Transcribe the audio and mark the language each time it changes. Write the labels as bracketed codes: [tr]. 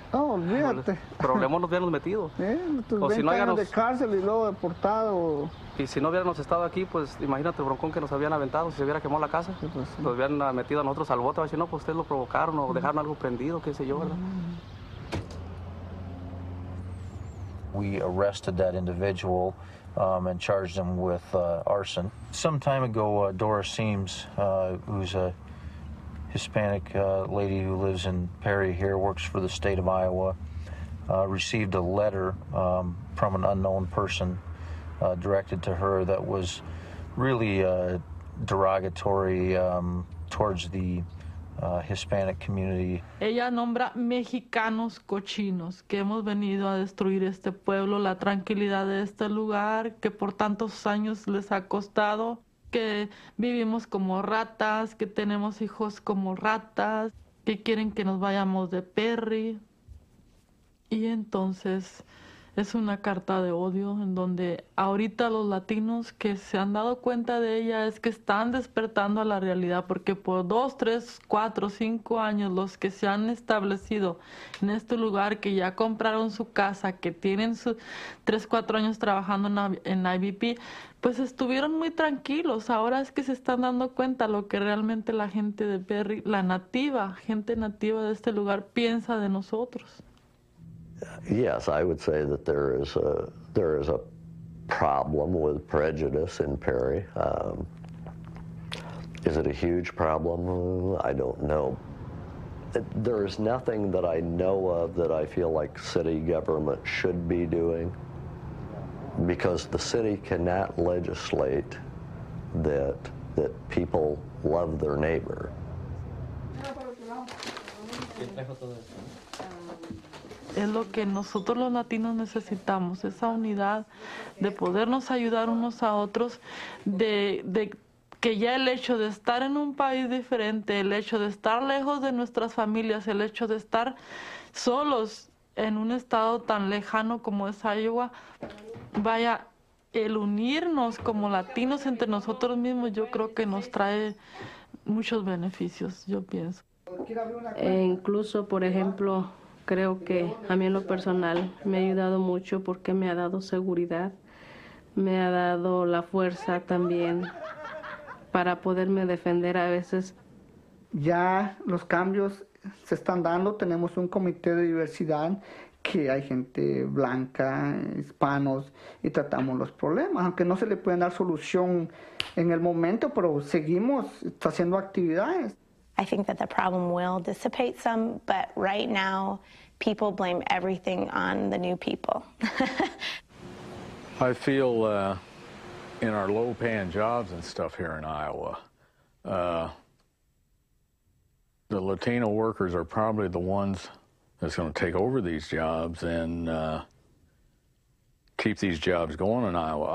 [es] Oh, olvídate. Problemas nos hubiéramos metido. O si no hubiéramos... de cárcel y luego deportado. Y si no hubiéramos estado aquí, pues imagínate el broncón que nos habían aventado si se hubiera quemado la casa. Sí, pues, sí. Nos hubieran metido a nosotros al bote. Si no, pues ustedes lo provocaron o dejaron algo prendido, qué sé yo, ¿verdad? [en] We arrested that individual and charged him with arson. Some time ago, Dora Seams, who's a Hispanic lady who lives in Perry here, works for the state of Iowa, received a letter from an unknown person directed to her that was really derogatory towards the Hispanic community. [es] Ella nombra mexicanos cochinos, que hemos venido a destruir este pueblo, la tranquilidad de este lugar, que por tantos años les ha costado, que vivimos como ratas, que tenemos hijos como ratas, que quieren que nos vayamos de Perry. Y entonces es una carta de odio en donde ahorita los latinos que se han dado cuenta de ella es que están despertando a la realidad, porque por 2, 3, 4, 5 años los que se han establecido en este lugar, que ya compraron su casa, que tienen sus 3, 4 años trabajando en IBP, pues estuvieron muy tranquilos. Ahora es que se están dando cuenta lo que realmente la gente de Perry, la nativa, gente nativa de este lugar, piensa de nosotros. [en] Yes, I would say that there is a problem with prejudice in Perry. Is it a huge problem? I don't know. There is nothing that I know of that I feel like city government should be doing, because the city cannot legislate that people love their neighbor. [es] Es lo que nosotros los latinos necesitamos, esa unidad de podernos ayudar unos a otros, de que ya el hecho de estar en un país diferente, el hecho de estar lejos de nuestras familias, el hecho de estar solos en un estado tan lejano como es Iowa, vaya, el unirnos como latinos entre nosotros mismos, yo creo que nos trae muchos beneficios, yo pienso. Incluso, por ejemplo, creo que a mí en lo personal me ha ayudado mucho, porque me ha dado seguridad, me ha dado la fuerza también para poderme defender a veces. Ya los cambios se están dando. Tenemos un comité de diversidad que hay gente blanca, hispanos, y tratamos los problemas. Aunque no se le pueden dar solución en el momento, pero seguimos haciendo actividades. [en] I think that the problem will dissipate some, but right now, people blame everything on the new people. I feel in our low-paying jobs and stuff here in Iowa, the Latino workers are probably the ones that's going to take over these jobs and keep these jobs going in Iowa.